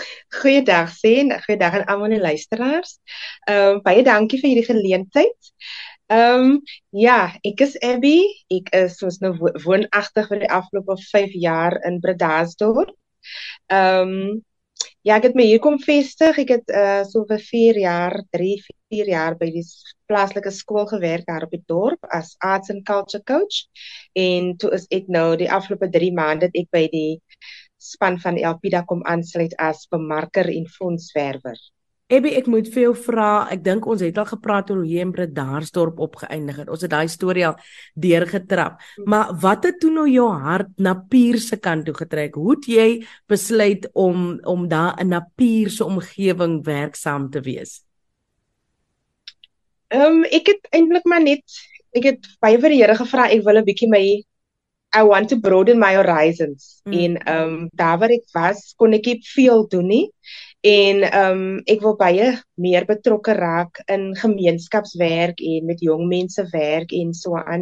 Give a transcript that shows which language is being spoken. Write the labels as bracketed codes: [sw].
[af] Goeiedag Sien, goeiedag aan almal die luisteraars. Baie dankie vir hierdie geleentheid. Ek is Abby. Ek is soos nou woonagtig vir die afgelope 5 jaar in Bredasdorp. Ek het my hier kom vestig. Ek het so vir 3-4 jaar by die plaaslike skool gewerk daar op die dorp as [en] arts and culture coach. [af] En toe is ek nou die afgelope 3 maande het ek by die span van Elpida kom aansluit as bemarker en fondswerwer. Abby, ek moet vir jou vra, ek dink ons het al gepraat oor hoe jy in Bredasdorp opgeëindig het. Ons het daai storie al deurgetrap. Maar wat het toe nou jou hart na Pier se kant toe getrek? Hoe het jy besluit om daar in 'n Pier se omgewing werksaam te wees? Ek het eintlik maar net, ek het baie vir die Here gevra, ek wil 'n bietjie my, [en] I want to broaden my horizons. [af] En daar waar ek was, kon ek nie veel doen nie. En ek wil baie meer betrokke raak in gemeenskapswerk en met jong mense werk en so aan.